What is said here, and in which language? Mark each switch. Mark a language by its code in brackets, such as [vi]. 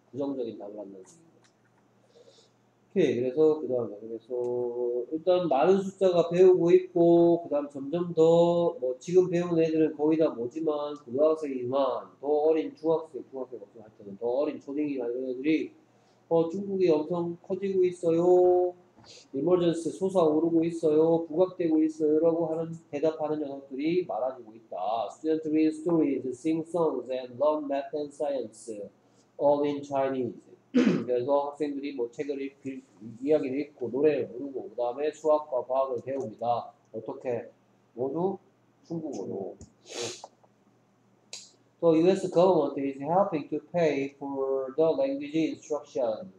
[ko] 부정적인 답을 한다는 겁니다. 오케이, 그래서 그 다음에 그래서 일단 많은 숫자가 배우고 있고 그 다음 점점 더 뭐 지금 배운 애들은 거의 다 뭐지만 고등학생이지만 더 어린 중학생 같은 학생은 더 어린 초딩이나 이런 애들이 어 중국이 엄청 커지고 있어요. 이머전스 솟아오르고 있어요. 부각되고 있어요 라고 하는 대답하는 녀석들이 많아지고 있다. [en] Student read stories, sing songs and learn math and science. All in Chinese. [ko] 그래서 학생들이 뭐 책을 읽, 이야기를 읽고 노래를 부르고 그 다음에 수학과 과학을 배웁니다. 어떻게? 모두 중국어로. [en] So US government is helping to pay for the language instruction.